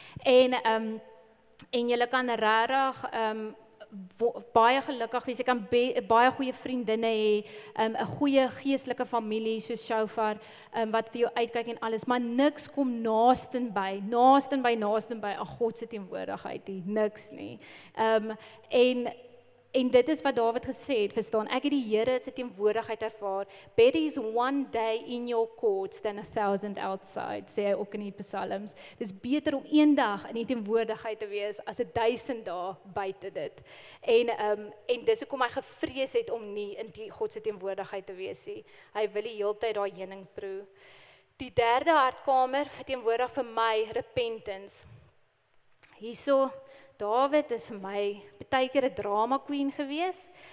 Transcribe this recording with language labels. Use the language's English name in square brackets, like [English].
[Afrikaans] En jy kan rarig baie gelukkig wees, jy kan baie goeie vriendinne hê, 'n goeie geestelike familie soos Shofar, wat vir jou uitkyk en alles, maar niks kom naasten by 'n God se teenwoordigheid nie, niks nie. En En dit is wat David gesê het, verstaan, ek het die Here se teenwoordigheid ervaar. [English] Better is one day in your courts than a thousand outside, [Afrikaans] sê hy ook in die Psalms. Dis beter om een dag in die teenwoordigheid te wees as 1000 dae buite dit. En dis hoekom hy gevrees het om nie in die God se teenwoordigheid te wees nie. Hy wil die hele tyd daai heuning proe. Die derde hartkamer verteenwoordig vir my repentance. Hierso David is vir my baie keer 'n drama queen gewees.